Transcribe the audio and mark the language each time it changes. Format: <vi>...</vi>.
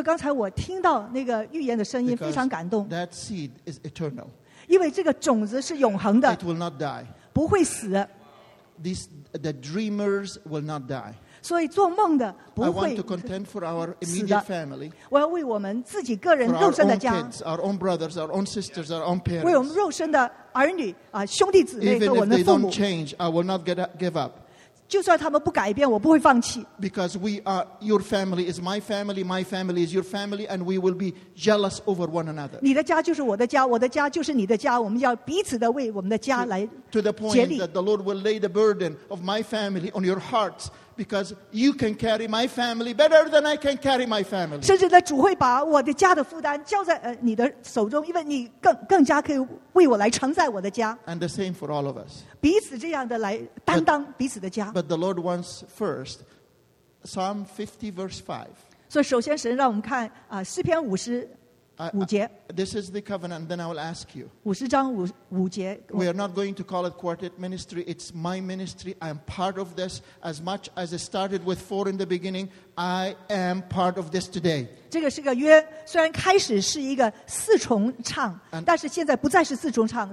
<en>that seed is eternal. It will not die.</en> <zh>不会死.</zh> <en>The dreamers will not die.</en> <zh>所以做梦的不会死.</zh> <en>I want to contend for our immediate family.</en> <zh>我要为我们自己个人肉身的家,</zh> <en>for our own kids, our own brothers, our own sisters, our own parents.</en> <zh>为我们肉身的儿女, 兄弟姊妹,</zh> <en>even if they don't change, I will not give up.</en> <zh>就算他们不改变, 我不会放弃.</zh> <en>Because we are, your family is my family, my family is your family, and we will be jealous over one another.</en> <zh>你的家就是我的家, 我的家就是你的家, 我们要彼此的为我们的家来</zh> <en>to the point that the Lord will lay the burden of my family on your hearts. Because you can carry my family better than I can carry my family. And the same for all of us. But the Lord wants first, Psalm 50, verse 5.</en> <zh>所以首先神让我们看, 诗篇 50,</zh> <en>this is the covenant, then I will ask you.</en> <zh>50章五节,</zh> <en>we are not going to call it quartet ministry. It's my ministry. I am part of this. As much as it started with four in the beginning, I am part of this today.</en> <zh>这个是个约, 虽然开始是一个四重唱,</zh> <en>and,</en> <zh>但是现在不再是四重唱,</zh>